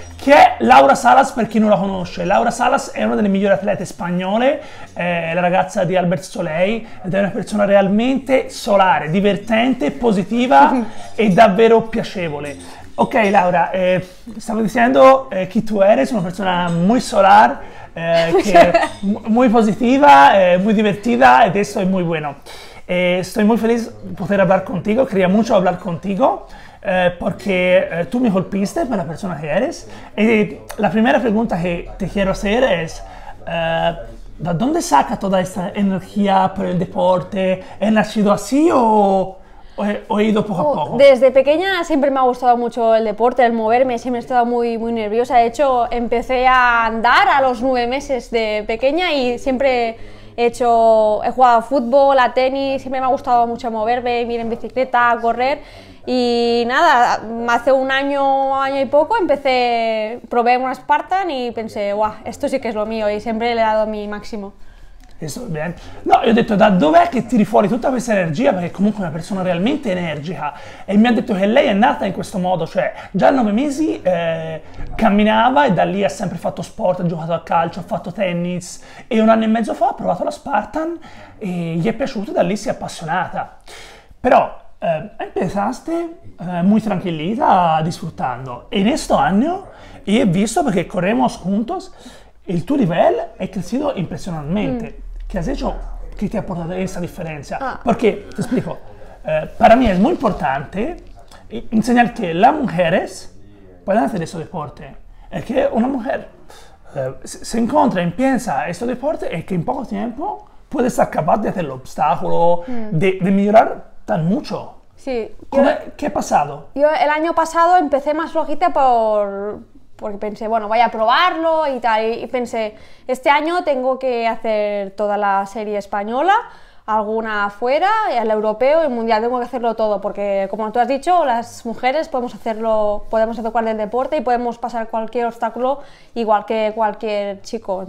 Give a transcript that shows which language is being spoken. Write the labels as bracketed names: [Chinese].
[Italian] Chi è Laura Salas per chi non la conosce? Laura Salas è una delle migliori atlete spagnole, è la ragazza di Albert Soleil ed è una persona realmente solare, divertente, positiva e davvero piacevole. Ok Laura, stavo dicendo chi tu eri, sono una persona molto solare. [Spanish] Muy positiva, muy divertida y de eso es muy bueno. Estoy muy feliz de poder hablar contigo, quería mucho hablar contigo porque tú me golpiste por la persona que eres. Y la primera pregunta que te quiero hacer es ¿de dónde saca toda esta energía por el deporte? ¿He nacido así o...? He ido poco a poco. Desde pequeña siempre me ha gustado mucho el deporte, el moverme, siempre he estado muy, muy nerviosa. De hecho, empecé a andar a los 9 meses de pequeña y siempre he jugado a fútbol, a tenis, siempre me ha gustado mucho moverme, ir en bicicleta, correr. Y nada, hace un año, año y poco, probé una Spartan y pensé, guau, esto sí que es lo mío y siempre le he dado mi máximo. [Italian] No, io ho detto da dov'è che tiri fuori tutta questa energia, perché comunque è una persona realmente energica, e mi ha detto che lei è nata in questo modo, cioè già a 9 mesi camminava e da lì ha sempre fatto sport, ha giocato a calcio, ha fatto tennis e 1 anno e mezzo fa ha provato la Spartan e gli è piaciuto e da lì si è appassionata. Però [Spanish] empezaste [Italian] molto tranquillita, disfruttando, e in questo anno io ho visto, perché [Spanish] corremo juntos, [Italian] il tuo livello è cresciuto impressionalmente. Che ha detto che ti ha portato a questa differenza? Perché, ti spiego, per me è molto importante insegnare che la mujeres possono fare questo deporte. E che [Spanish] una mujer si incontra e piensa [Italian] questo deporte e che in poco tempo può essere capace di fare l'ostacolo, di migliorare [Spanish] tan mucho. [Italian] Sì. Che è passato? Io l'anno passato [Spanish] empecé más flojita porque pensé, bueno, voy a probarlo y tal, y pensé, este año tengo que hacer toda la serie española, alguna afuera, el europeo y el mundial, tengo que hacerlo todo, porque como tú has dicho, las mujeres podemos hacer cualquier deporte y podemos pasar cualquier obstáculo igual que cualquier chico.